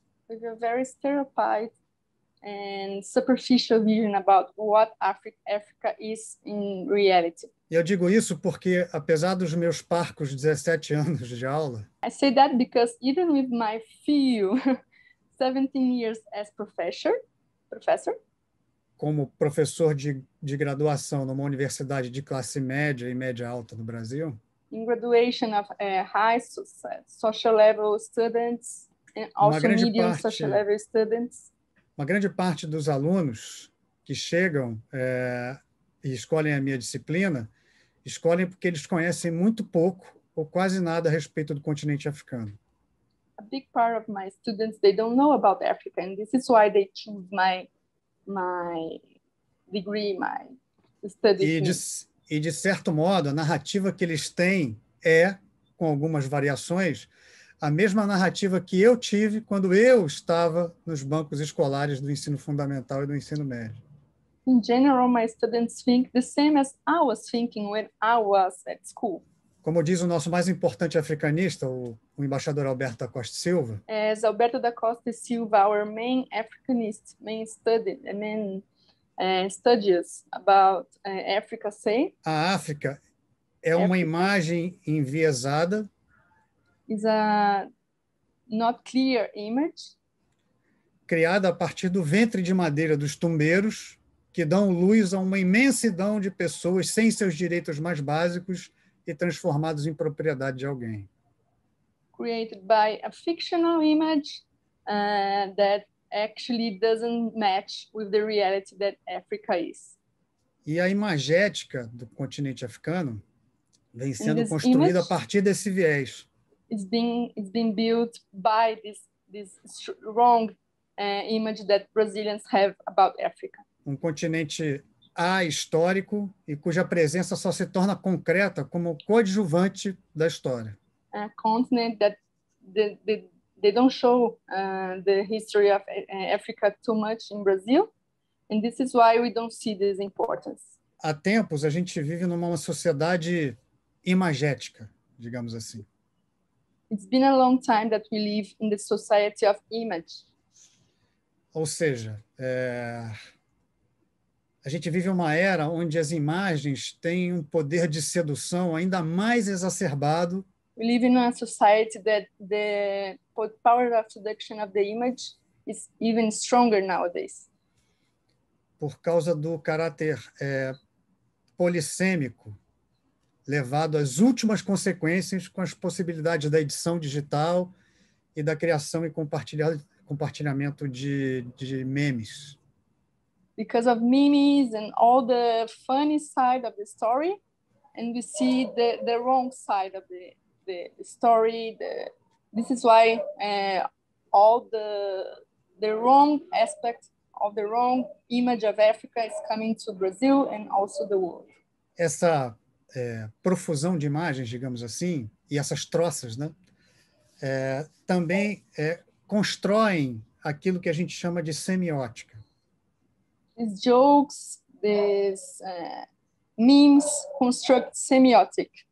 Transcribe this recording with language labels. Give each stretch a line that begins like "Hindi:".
English: With a very stereotyped and superficial vision about what Africa is in reality.
Portuguese: E eu digo isso porque, apesar dos meus parcos 17 anos de aula,
English: I say that because even with my few 17 years as professor,
Portuguese: como professor de graduação numa universidade de classe média e média alta no Brasil,
English: in graduation of high social level students and also medium social level students,
Portuguese: uma grande parte dos alunos que chegam e escolhem a minha disciplina escolhem porque eles conhecem muito pouco ou quase nada a respeito do continente africano.
English: A big part of my students, they don't know about Africa, and this is why they choose my degree, my studies.
Portuguese: E de certo modo, a narrativa que eles têm é, com algumas variações, a mesma narrativa que eu tive quando eu estava nos bancos escolares do ensino fundamental e do ensino médio.
English: In general, my students think the same as I was thinking when I was at school.
Portuguese: Como diz o nosso mais importante africanista, o embaixador Alberto da Costa Silva.
English: As Alberto da Costa Silva, our main Africanist, main student, main studies about Africa, say.
Portuguese: A África é uma imagem enviesada.
English: Is a not clear image.
Portuguese: Criada a partir do ventre de madeira dos tumbeiros, que dão luz a uma imensidão de pessoas sem seus direitos mais básicos e transformados em propriedade de alguém.
English: Created by a fictional image that actually doesn't match with the reality that Africa is.
Portuguese: E a imagética do continente africano vem sendo construída a partir desse viés.
English: It's been built by this strong image that Brazilians have about Africa.
Portuguese: Um continente ahistórico e cuja presença só se torna concreta como coadjuvante da história.
English: A continent that they don't show the history of Africa too much in Brazil, and this is why we don't see this importance.
Portuguese: Há tempos a gente vive numa sociedade imagética, digamos assim.
English: It's been a long time that we live in the society of image.
Portuguese: Ou seja, a gente vive uma era onde as imagens têm um poder de sedução ainda mais exacerbado.
English: We live in a society that the power of seduction of the image is even stronger nowadays.
Portuguese: Por causa do caráter polissêmico, levado às últimas consequências com as possibilidades da edição digital e da criação e compartilhamento de memes.
English: Because of memes and all the funny side of the story, and we see the wrong side of the story. This is why all the wrong aspect of the wrong image of Africa is coming to Brazil and also the world.
Portuguese: Essa profusão de imagens, digamos assim, e essas troças, né, também constroem aquilo que a gente chama de semiótica.
English: These jokes, these memes construct semiotic.